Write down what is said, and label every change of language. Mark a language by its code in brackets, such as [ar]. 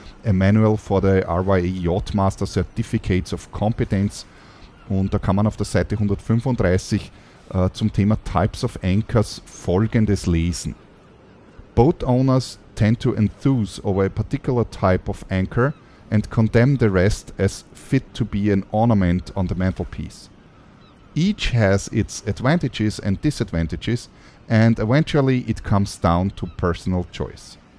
[en] a manual for the RYA Yacht Master Certificates of Competence. [de] Und da kann man auf der Seite 135 zum Thema [en] Types of Anchors [de] Folgendes lesen. [en] Boat owners tend to enthuse over a particular type of anchor and condemn the rest as fit to be an ornament on the mantelpiece. Each has its advantages and disadvantages, and eventually it comes down to personal choice.